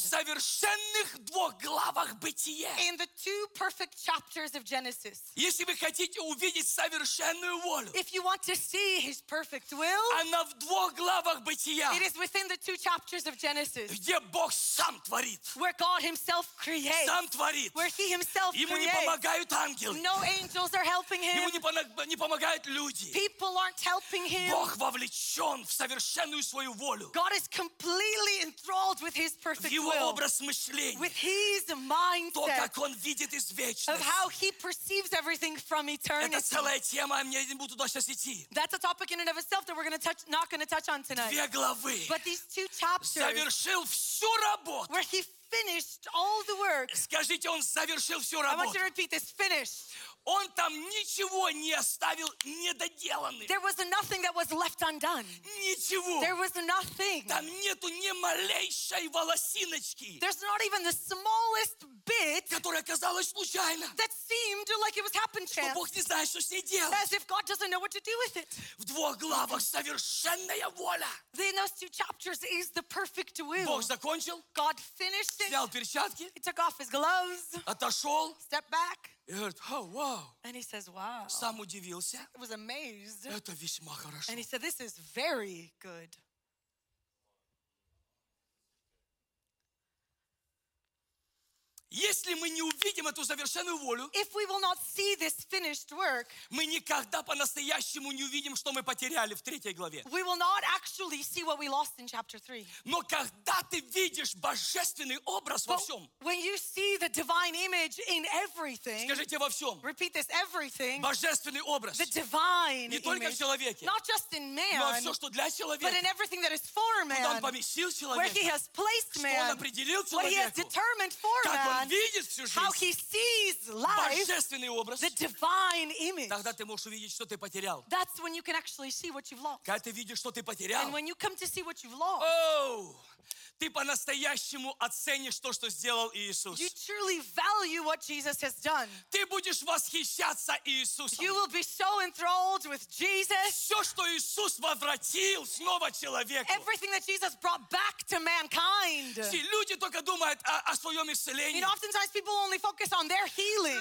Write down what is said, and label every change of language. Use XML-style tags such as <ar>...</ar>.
<ru>в совершенных двух главах бытия.</ru> <en>In the two perfect chapters of Genesis.</en> <ru>Если вы хотите увидеть совершенную волю,</ru> <en>if you want to see his perfect will,</en> <ru>она в двух главах бытия.</ru> <en>It is within the two chapters of Genesis.</en> <ru>Где Бог сам творит.</ru> <en>Where God himself creates.</en> <ru>Сам творит.</ru> <en>Where he himself</en> <ru>Ему</ru> <en>creates.</en> <ru>Ему не помогают ангелы.</ru> <en>No angels are helping him.</en> <ru>Ему не помогают люди.</ru> <en>People aren't helping him.</en> <ru>Бог вовлечен в совершенную свою волю.</ru> <en>God is completely enthralled with his perfect will.</en> <ru>В его образ мышления.</ru> <en>With his mindset.</en> <ru>То, как он видит из вечности.</ru> <en>Of how he perceives everything from eternity.</en> <ru>Это целая тема, я не буду туда сейчас идти.</ru> <en>That's a topic in and of itself that we're going to touch, not going to touch on tonight.</en> <ru>Две главы.</ru> <en>But these two chapters.</en> <ru>Завершил всю работу.</ru> <en>Where he finished all the work.</en> <ru>Скажите, он завершил всю работу.</ru> <en>I want you to repeat this. Finished.</en> <ru>Он там ничего не оставил недоделанным.</ru> <en>There was nothing that was left undone.</en> <ru>Ничего.</ru> <en>There was nothing.</en> <ru>Там нету ни малейшей волосиночки.</ru> <en>There's not even the smallest bit.</en> <ru>Которая казалась случайно.</ru> <en>That seemed like it was happened chance.</en> <ru>Бог не знает, что с ней делать.</ru> <en>As if God doesn't know what to do with it.</en> <ru>В двух главах совершенная воля.</ru> <en>In those two chapters is the perfect will.</en> <ru>Бог закончил.</ru> <en>God finished it.</en> <ru>Снял перчатки.</ru> <en>He took off his gloves.</en> <ru>Отошел.</ru> <en>Stepped back.</en> <ru>И говорит,</ru> <en>oh, wow. And he says, wow.</en> <ru>Сам удивился.</ru> <en>It was amazed.</en> <ru>Это весьма хорошо.</ru> <en>And he said, this is very good.</en> <ru>Если мы не увидим эту завершенную волю,</ru> <en>if we will not see this finished work,</en> <ru>мы никогда по-настоящему не увидим, что мы потеряли в третьей главе.</ru> <en>We will not actually see what we lost in chapter 3.</en> <ru>Но когда ты видишь божественный образ во всем,</ru> <en>when you see the divine image in everything,</en> <ru>скажите во всем,</ru> <en>repeat this, everything,</en> <ru>божественный образ,</ru> <en>the divine</en> <ru>не только</ru> <en>image,</en> <ru>в человеке,</ru> <en>not just in man,</en> <ru>но все, что для человека,</ru> <en>but in everything that is for man,</en> <ru>куда он поместил человека,</ru> <en>where he has placed man,</en> <ru>что он определил человеку,</ru> <en>what he has determined for man, how he sees life,</en> <ru>образ,</ru> <en>the divine image.</en> <ru>Тогда ты можешь увидеть, что ты потерял.</ru> <en>That's when you can actually see what you've lost.</en> <ru>Когда ты видишь, что ты потерял.</ru> <en>And when you come to see what you've lost.</en> <ru>Oh, ты по-настоящему оценишь то, что сделал Иисус.</ru> <en>You truly value what Jesus has done.</en> <ru>Ты будешь восхищаться Иисусом.</ru> <en>You will be so enthralled with Jesus.</en> <ru>Все, что Иисус возвратил снова человеку.</ru> <en>Everything that Jesus brought back to mankind.</en> <ru>Все люди только думают о своем исцелении.</ru> <en>You know, oftentimes people only focus on their healing.</en>